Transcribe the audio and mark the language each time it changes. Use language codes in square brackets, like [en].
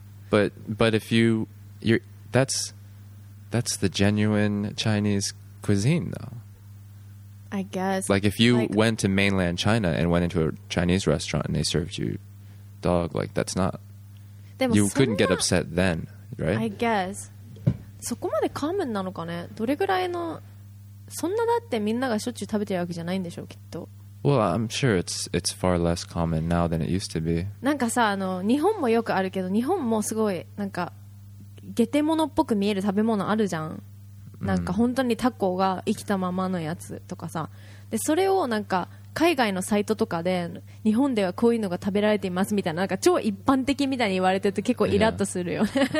[en] But if you're that's the genuine Chinese cuisine though. I guess. Like, if you went to mainland China and went into a Chinese restaurant and they served you dog, like, that's not... You couldn't get upset then, right? I guess. [ja] そこまでカムンなのかね。どれぐらいの、そんなだってみんながしょっちゅう食べてるわけじゃないんでしょう、きっと。 [en] Well, I'm sure it's far less common now than it used to be. [ja] なんかさ、あの、日本もよくあるけど、日本もすごい、なんか、ゲテモノっぽく見える食べ物あるじゃん。なんか本当にタコが生きたままのやつとかさ。で、それをなんか、海外のサイトとかで、日本ではこういうのが食べられていますみたいな、なんか超一般的みたいに言われてると結構イラッとするよね。